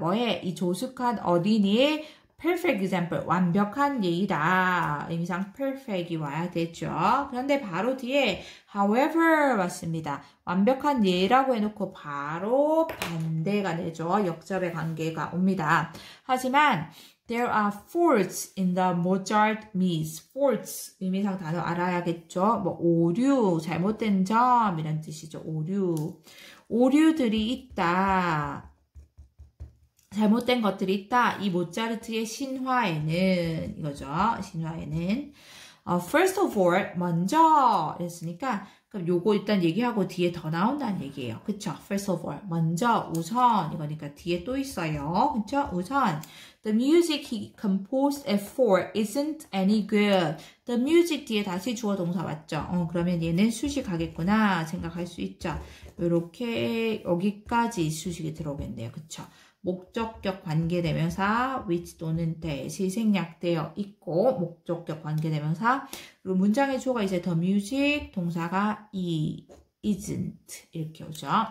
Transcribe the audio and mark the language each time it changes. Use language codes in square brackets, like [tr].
[ko] 뭐에 이 조숙한 어린이의 [en] perfect example [ko] 완벽한 예이다. 의미상 perfect이 와야 되죠. 그런데 바로 뒤에 however 왔습니다. 완벽한 예라고 해놓고 바로 반대가 되죠. 역접의 관계가 옵니다. [en] 하지만 there are faults in the Mozart myth. [ko] faults 의미상 단어 알아야겠죠. 뭐 오류 잘못된 점이란 뜻이죠. 오류들이 있다. 잘못된 것들이 있다. 이 모차르트의 신화에는 이거죠. 신화에는 [en] first of all [ko] 먼저 이랬으니까 그럼 요거 일단 얘기하고 뒤에 더 나온다는 얘기예요. 그쵸? [en] first of all [ko] 먼저 우선 이거니까 뒤에 또 있어요. 그쵸? [en] 우선 the music he composed at four isn't any good. [ko] the music 뒤에 다시 주어 동사 맞죠? 그러면 얘는 수식하겠구나 생각할 수 있죠. 요렇게 여기까지 수식이 들어오겠네요. 그쵸? 목적격 관계대명사 which 또는 that이 생략되어 있고 목적격 관계대명사 그리고 문장의 주어가 이제 the music 동사가 isn't 이렇게 오죠.